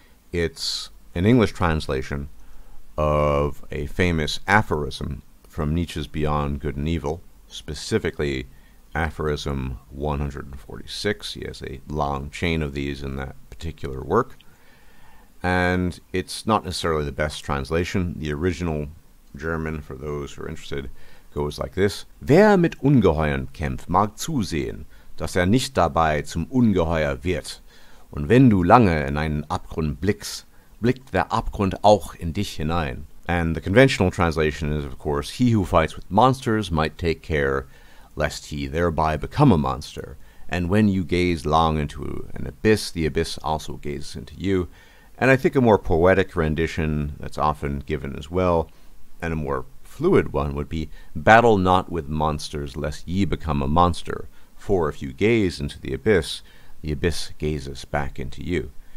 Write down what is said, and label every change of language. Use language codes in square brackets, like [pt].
[en] It's an English translation of a famous aphorism from Nietzsche's Beyond Good and Evil, specifically aphorism 146. He has a long chain of these in that particular work. And it's not necessarily the best translation. The original German, for those who are interested, goes like this. [de] Wer mit Ungeheuern kämpft, mag zusehen, dass nicht dabei zum Ungeheuer wird. Und wenn du lange in einen Abgrund blickst, blickt der Abgrund auch in dich hinein. [en] And the conventional translation is, of course, he who fights with monsters might take care lest he thereby become a monster. And when you gaze long into an abyss, the abyss also gazes into you. And I think a more poetic rendition that's often given as well, and a more fluid one, would be, battle not with monsters, lest ye become a monster, for if you gaze into the abyss gazes back into you.